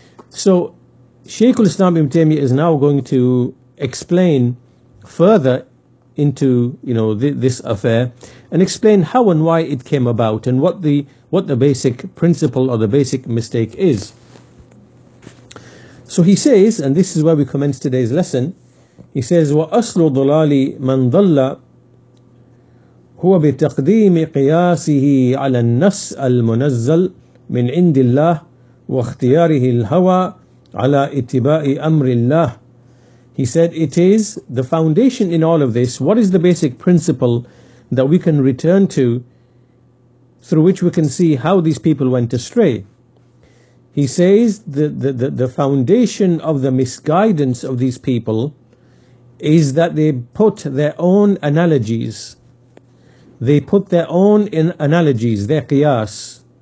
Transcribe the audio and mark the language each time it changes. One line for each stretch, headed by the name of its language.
English: So, Shaykh al-Islam Ibn Taymiyyah is now going to explain further into, you know, this affair, and explain how and why it came about, and what the basic principle or the basic mistake is. So he says, and this is where we commence today's lesson, he says,
Arabic: وَأَصْلُ ضُلَالِ مَنْ ضَلَّ هو بتقديم قياسه على النص المنزل من عند الله واختياره الهوى على اتباع أمر الله.
English: He said, it is the foundation in all of this. What is the basic principle that we can return to through which we can see how these people went astray? He says the foundation of the misguidance of these people is that they put their own analogies. They put their own analogies, their qiyas,